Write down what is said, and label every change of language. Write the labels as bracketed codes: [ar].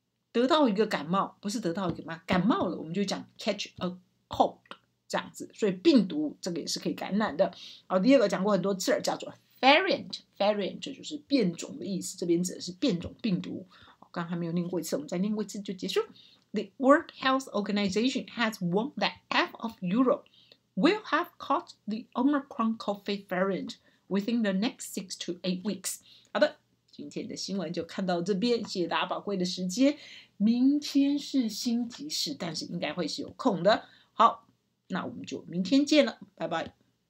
[zh] 得到一个感冒，不是得到一个吗？感冒了，我们就讲 [en] catch a cold [zh] 这样子，所以病毒这个也是可以感染的。好，第二个讲过很多次了，叫做 variant 就是变种的意思，这边指的是变种病毒。刚刚还没有念过一次，我们再念过一次就结束。 [en] The World Health Organization has warned that half of Europe will have caught the Omicron COVID variant within the next 6 to 8 weeks。 [zh] 好的，今天的新闻就看到这边，谢谢大家宝贵的时间。明天是星期四，但是应该会是有空的。好，那我们就明天见了，拜拜。